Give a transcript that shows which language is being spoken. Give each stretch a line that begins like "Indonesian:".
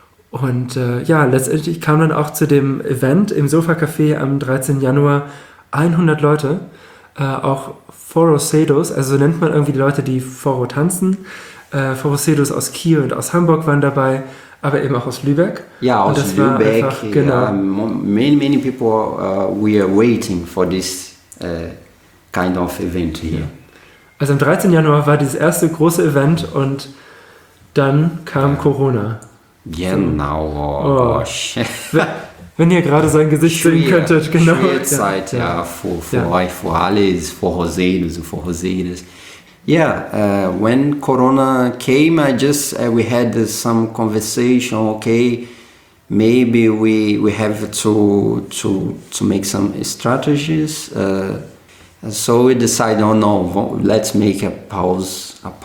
German: Und ja, letztendlich kam dann auch zu dem Event im Sofa-Café am 13. Januar 100 Leute, auch Forrozeiros, also so nennt man irgendwie die Leute, die Forró tanzen. Forrozeiros aus Kiel und aus Hamburg waren dabei, aber eben auch aus Lübeck. Ja, aus Lübeck. War einfach, genau.
English: Many, many people were waiting for this kind of event here.
German: Also am 13. Januar war dieses erste große Event und dann kam Corona. Genau. Oh. Wenn ihr gerade sein Gesicht sehen könntet, genau. Schwierige Zeit, ja, für euch, für alles, für Rosales, für Rosales.
English: Yeah, when Corona came, I just we had some conversation. Okay, maybe we have to make some strategies. So we decided, oh no, let's make a pause.